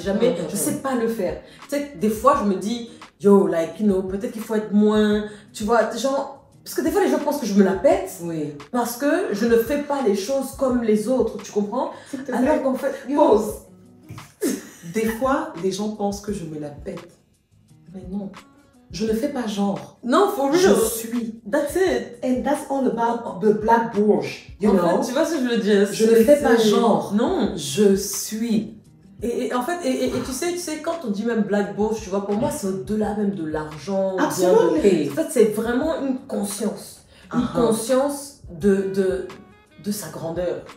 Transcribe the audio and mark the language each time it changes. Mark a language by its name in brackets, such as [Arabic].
[French] Je sais pas le faire. Tu sais, des fois, je me dis, [English] yo, like, you know, [French] peut-être qu'il faut être moins. Tu vois, genre. Parce que des fois, les gens pensent que je me la pète. Oui. Parce que je ne fais pas les choses comme les autres. Tu comprends? Alors qu'en fait. Pause. Des fois, les gens pensent que je me la pète. Mais non. Je ne fais pas genre. Non, [English] for real. [French] Je suis. [English] That's it. And that's all about the black bourge. You know? [French] Tu vois ce que je veux dire? Je ne fais pas genre. Non. Je suis. Et en fait, tu sais, quand on dit même black bourge, tu vois, pour moi, c'est au-delà même de l'argent. Absolument. En fait, c'est vraiment une conscience. Uh-huh. Une conscience de sa grandeur.